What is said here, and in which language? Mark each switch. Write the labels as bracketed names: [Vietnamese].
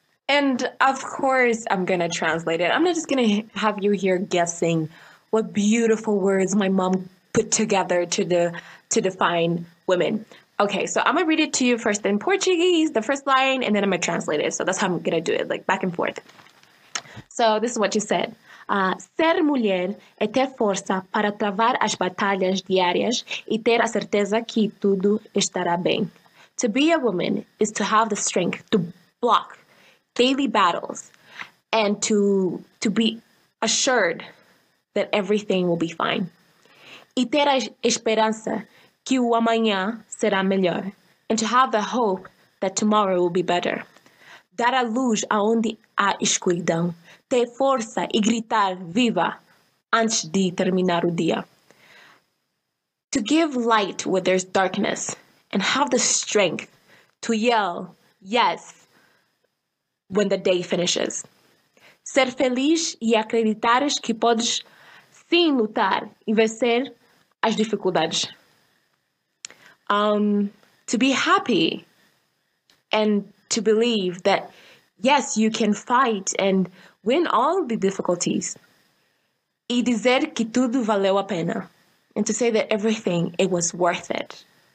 [English] And of course I'm going to translate it. I'm not just going to have you here guessing what beautiful words my mom put together to define women. Okay, so I'm gonna read it to you first in Portuguese, the first line, and then I'm gonna translate it. So that's how I'm gonna do it, like back and forth. So this is what you said. [Portuguese] Ser mulher é ter força para travar as batalhas diárias e ter a certeza que tudo estará bem. [English] To be a woman is to have the strength to block daily battles and to be assured that everything will be fine. [Portuguese] E ter a esperança que o amanhã será melhor. [English] And to have the hope that tomorrow will be better. [Portuguese] Dar a luz aonde há escuridão. Ter força e gritar viva antes de terminar o dia. [English] To give light where there's darkness and have the strength to yell yes when the day finishes. [Portuguese] Ser feliz e acreditares que podes sim lutar e vencer as dificuldades. [English] To be happy and to believe that yes, you can fight and win all the difficulties. [Portuguese] E dizer que tudo valeu a pena. [English] And to say that everything, it was worth it.